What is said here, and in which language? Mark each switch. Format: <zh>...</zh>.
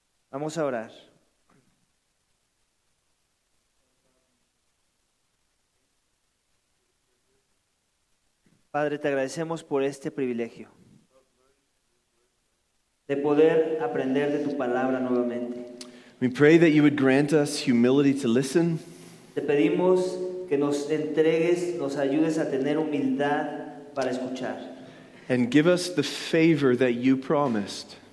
<es>Vamos a orar. Padre, te agradecemos por este privilegio de poder aprender de tu palabra nuevamente.</es> <en>We pray that you would grant us humility to listen.</en> <es>Te pedimos que nos entregues, nos ayudes a tener humildad para escuchar.</es> <en>And give us the favor that you promised.</en>